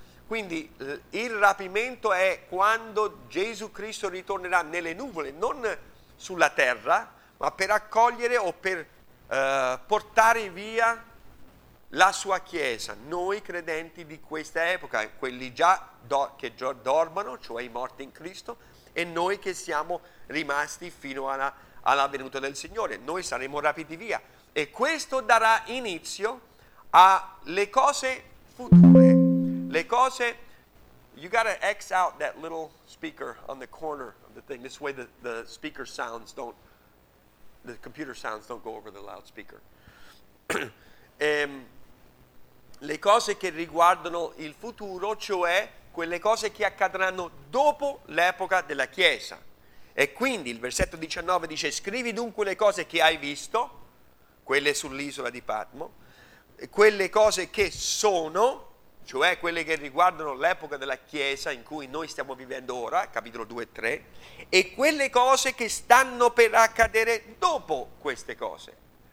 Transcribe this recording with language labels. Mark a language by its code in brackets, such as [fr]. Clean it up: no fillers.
[it] Quindi il rapimento è quando Gesù Cristo ritornerà nelle nuvole, non sulla terra, ma per accogliere o per portare via la sua Chiesa, noi credenti di questa epoca, quelli già che già dormono, cioè i morti in Cristo, e noi che siamo rimasti fino alla venuta del Signore, noi saremo rapiti via. E questo darà inizio alle cose future, le cose... [en] You gotta X out that little speaker on the corner of the thing. This way the speaker sounds don't, the computer sounds don't go over the loudspeaker. [it] le cose che riguardano il futuro, cioè quelle cose che accadranno dopo l'epoca della Chiesa. E quindi il versetto 19 dice: scrivi dunque le cose che hai visto, quelle sull'isola di Patmo, quelle cose che sono, cioè quelle che riguardano l'epoca della Chiesa in cui noi stiamo vivendo ora, capitolo 2 e 3, e quelle cose che stanno per accadere dopo queste cose.